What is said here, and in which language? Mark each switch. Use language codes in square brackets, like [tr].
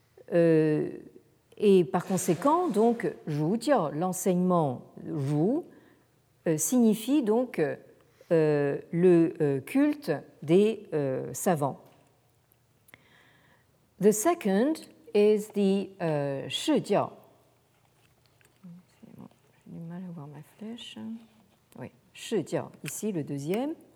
[fr] Et par conséquent, donc, Zhujiao, l'enseignement Zhu, signifie donc le culte des savants. [en] The second is the Shijiao. [fr] J'ai du mal à voir ma flèche. Oui, Shijiao, ici le deuxième.